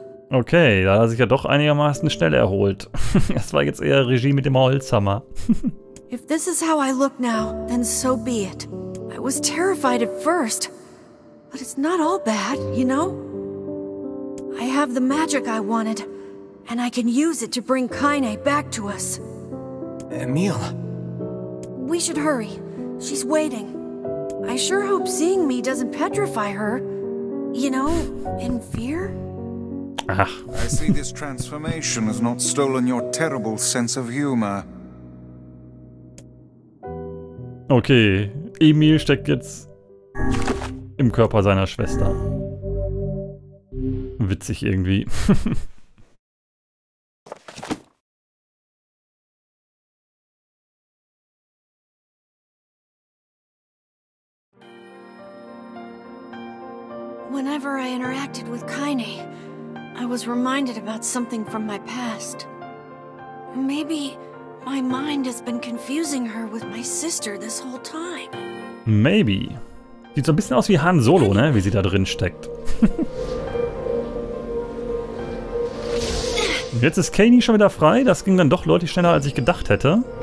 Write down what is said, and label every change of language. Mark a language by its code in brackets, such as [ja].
[de] Okay, da hat er sich ja doch einigermaßen schnell erholt. Das war jetzt eher Regie mit dem Holzhammer. [en] If this is how I look now, then so be it. I was terrified at first. But it's not all bad, you know? I have the magic I wanted. And I can use it to bring Kaine back to us. Emil. We should hurry. She's waiting. I sure hope seeing me doesn't petrify her. You know, in fear? Ah. I see this transformation has not stolen your terrible sense of humor. [de] Okay, Emil steckt jetzt im Körper seiner Schwester. Witzig irgendwie. [en] Whenever I interacted with Kaine, I was reminded about something from my past. Maybe my mind has been confusing her with my sister this whole time. Maybe. [de] Sieht so ein bisschen aus wie Han Solo, ne? Wie sie da drin steckt. Jetzt ist Kaine schon wieder frei. Das ging dann doch deutlich schneller, als ich gedacht hätte.